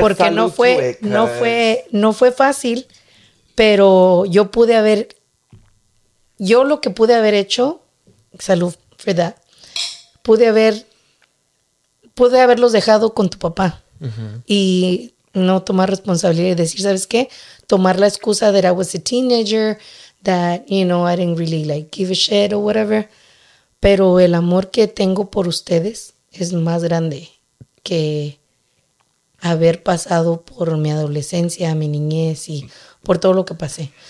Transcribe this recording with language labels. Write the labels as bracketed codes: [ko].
[es] porque no fue, no fue, no fue fácil, pero yo pude haber, yo lo que pude haber hecho, salud for that, pude haberlos dejado con tu papá y no tomar responsabilidad y decir, ¿sabes qué? Tomar la excusa [en] that I was a teenager, that, you know, I didn't really like give a shit or whatever. [es] Pero el amor que tengo por ustedes es más grande que haber pasado por mi adolescencia, mi niñez y por todo lo que pasé.